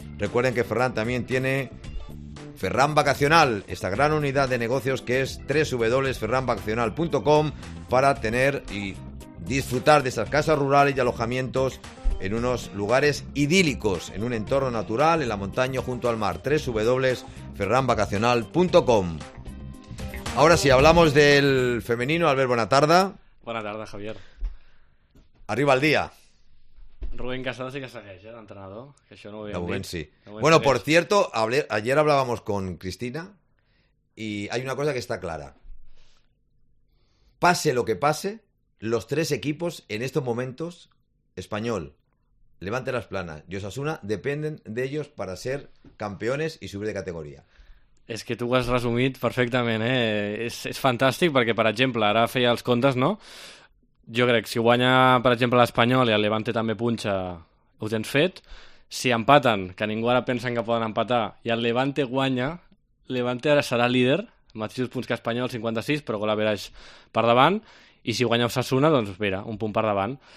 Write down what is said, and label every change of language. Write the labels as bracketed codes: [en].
[es] Recuerden que Ferran también tiene Ferran Vacacional, esta gran unidad de negocios que es www.ferranvacacional.com, para tener y disfrutar de esas casas rurales y alojamientos en unos lugares idílicos, en un entorno natural, en la montaña junto al mar. www.ferranvacacional.com. Ahora sí, hablamos del femenino. Albert, buena tarde. Buena tarde, Javier. Arriba el día. [ca] Rubén Casado sí que segueix, d'entrenador, que això no ho havíem dit. Sí. [es] Bueno, por cierto, ayer hablábamos con Cristina y hay una cosa que está clara. Pase lo que pase, los tres equipos en estos momentos, Español, Levante las Planas y Osasuna, dependen de ellos para ser campeones y subir de categoría. [ca] És que tu ho has resumit perfectament, eh? És fantàstic perquè, per exemple, ara feia els comptes, no? Jo crec que si guanya, per exemple, l'Espanyol i el Levante també punxa, ho tens fet. Si empaten, que ningú ara pensa que poden empatar, i el Levante guanya, Levante ara serà líder, mateixos punts que Espanyol, 56, però gol average per davant, i si guanya Osasuna, doncs mira, un punt per davant.